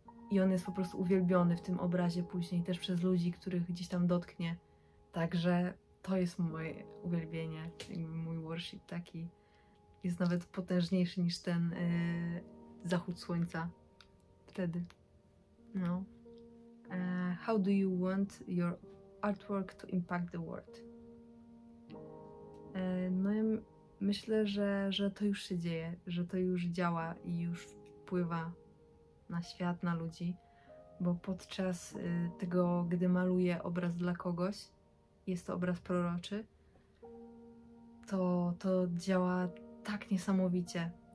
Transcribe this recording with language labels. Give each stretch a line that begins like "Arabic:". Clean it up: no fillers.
Polish: I on jest po prostu uwielbiony w tym obrazie później, też przez ludzi, których gdzieś tam dotknie. Także to jest moje uwielbienie, jakby mój worship taki. Jest nawet potężniejszy niż ten zachód słońca wtedy. No.
English: How do you want your artwork to impact the world?
Polish: No ja myślę, że to już się dzieje, że to już działa i już wpływa na świat, na ludzi, bo podczas tego, gdy maluję obraz dla kogoś, jest to obraz proroczy, to działa tak niesamowicie.